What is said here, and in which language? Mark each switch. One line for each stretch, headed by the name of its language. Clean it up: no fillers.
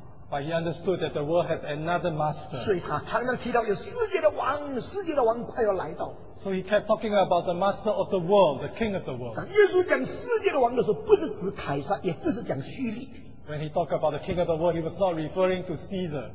English: But he understood that the world has another master.
Chinese: 所以他常常提到有世界的王, 世界的王快要来到,
English: so he kept talking about the master of the world, the king of the world.
Chinese: 当耶稣讲世界的王的时候, 不是指凯撒, 也不是讲叙利,
English: when he talked about the king of the world, he was not referring to Caesar.